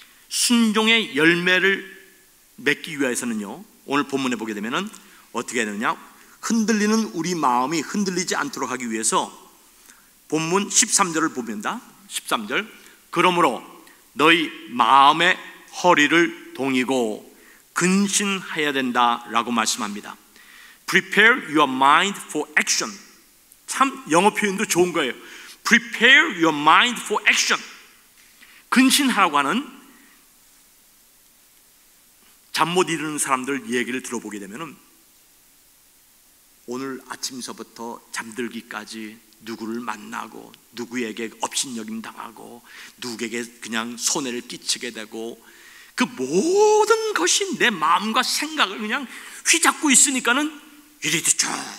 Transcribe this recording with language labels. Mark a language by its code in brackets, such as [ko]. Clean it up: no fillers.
[ko] 순종의 열매를 맺기 위해서는요, 오늘 본문에 보게 되면은 어떻게 해야 되느냐, 흔들리는 우리 마음이 흔들리지 않도록 하기 위해서 본문 13절을 봅니다. 13절, 그러므로 너희 마음의 허리를 동이고 근신해야 된다 라고 말씀합니다. [en] Prepare your mind for action. [ko] 참 영어 표현도 좋은 거예요. [en] Prepare your mind for action. [ko] 근신하라고 하는, 잠 못 이루는 사람들 얘기를 들어보게 되면은 오늘 아침서부터 잠들기까지 누구를 만나고 누구에게 업신여김 당하고 누구에게 그냥 손해를 끼치게 되고 그 모든 것이 내 마음과 생각을 그냥 휘잡고 있으니까는 이리저쩍